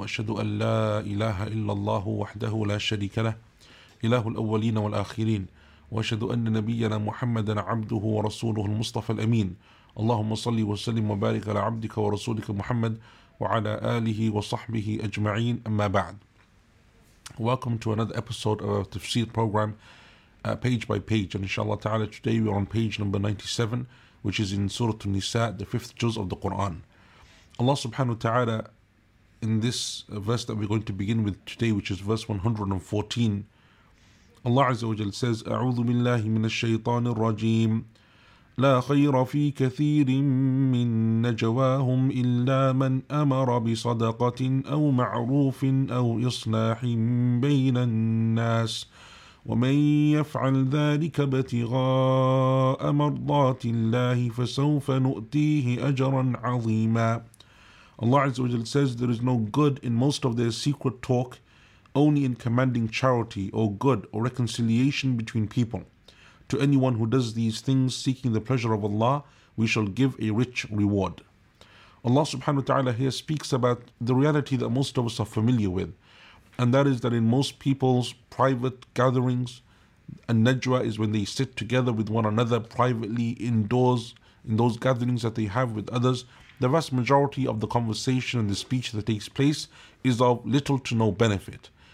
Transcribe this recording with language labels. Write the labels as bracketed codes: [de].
[ar] وأشهد أن لا إله إلا الله وحده لا شريك له إله الأولين والآخرين. وأشهد أن نبينا محمدا عبده ورسوله المصطفى الأمين. اللهم صل وسلم وبارك على عبدك ورسولك محمد وعلى آله وصحبه أجمعين. أما بعد, [en] welcome to another episode of our Tafsir program, page by page, and inshallah ta'ala today we are on page number 97, which is in Surah An-Nisa, the fifth juz of the Quran. Allah subhanahu wa ta'ala, in this verse that we're going to begin with today, which is verse 114, Allah Azza wa Jal says, [ar] أعوذ بالله من الشيطان الرجيم لا خير في كثير من نجواهم إلا من أمر بصدقة أو معروف أو إصلاح بين الناس ومن يفعل ذلك ابتغاء مرضات الله فسوف نؤتيه أجرا عظيما. [en] Allah Azza wa Jal says, there is no good in most of their secret talk, only in commanding charity or good or reconciliation between people. To anyone who does these things seeking the pleasure of Allah, we shall give a rich reward. Allah subhanahu wa ta'ala here speaks about the reality that most of us are familiar with, and that is that in most people's private gatherings, a najwa is when they sit together with one another privately indoors, in those gatherings that they have with others, the vast majority of the conversation and the speech that takes place is of little to no benefit.